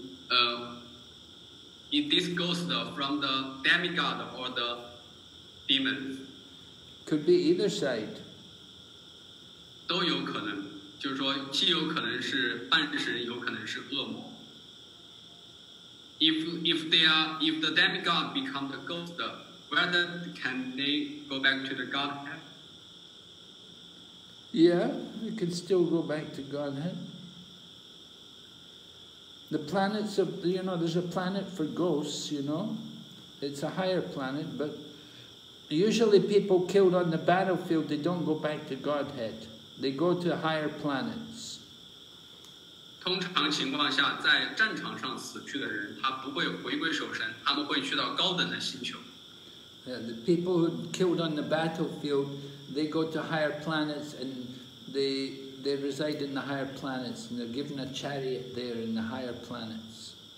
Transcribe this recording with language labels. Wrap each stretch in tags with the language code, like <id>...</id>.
<en>嗯, is this ghost from the demigod or the demon? Could be either side.</en> <zh>都有可能, 就是说既有可能是半神, 有可能是恶魔。</zh> <en>If the demigod become the ghost, whether can they go back to the Godhead? Yeah, we can still go back to Godhead. The planets of, you know, there's a planet for ghosts, you know. It's a higher planet, but usually people killed on the battlefield, they don't go back to Godhead. They go to higher planets.</en> <zh>通常情况下, 在战场上死去的人, 他不会回归守身, 他们会去到高等的星球。</zh> <en>Yeah, the people who killed on the battlefield, they go to higher planets and they reside in the higher planets and they're given a chariot there in the higher planets.</en>